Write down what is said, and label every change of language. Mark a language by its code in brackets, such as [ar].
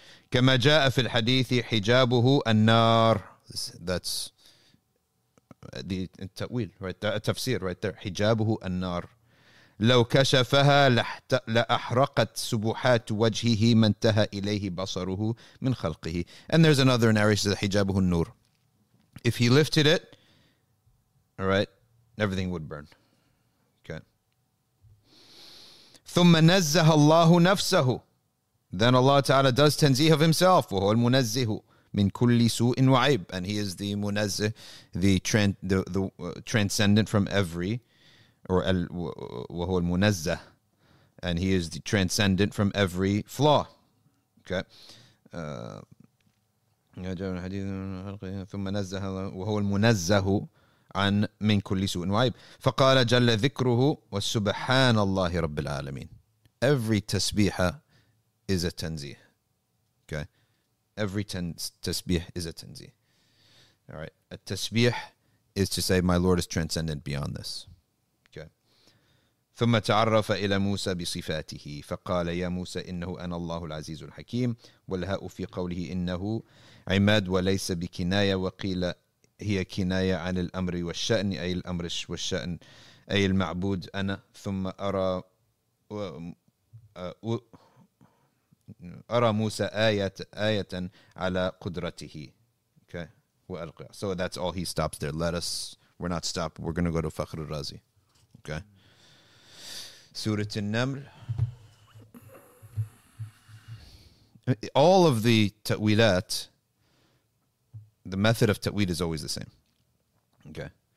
[ar] كما جاء في الحديث حجابه النار. [en] That's the تأويل, right? تفسير right there. [ar] حجابه النار. لو كشفها لأحرقت سبحات وجهه من تهى إليه بصره من خلقه. [en] And there's another narration that [ar] حجابه النور. [en] If he lifted it, all right, everything would burn. [ar] ثم نزه الله نفسه. [en] Then Allah Ta'ala does tanzih of himself. [ar] وهو المنزه من كل سوء وعيب. [en] And he is the munazzih, the transcendent from every, or [ar] وهو المنزه. [en] And he is the transcendent from every flaw. Okay. [ar] ثم نزه وهو المنزه عن من كل سوء وعيب. فقال جل ذكره وسبحان الله رب العالمين. [en] Every tasbihah is a tanzih. Okay. Every tasbih is a tanzih. All right. A tasbih is to say, my Lord is transcendent beyond this. Okay. [ar] ثم تعرف إلى موسى بصفاته فقال يا موسى إنه أنا الله العزيز الحكيم والهاء في قوله إنه عماد وليس بكناية وقيل هي كناية عن الأمر والشأن أي الأمر والشأن أي المعبود أنا ثم أرى موسى آية على قدرته. Okay. وألقى. [en] So that's all he stops there. Let us, we're not stopped. We're going to go to Fakhr al-Razi. Okay. Surah An-Naml. All of the ta'wilat, the method of ta'wil is always the same. Okay.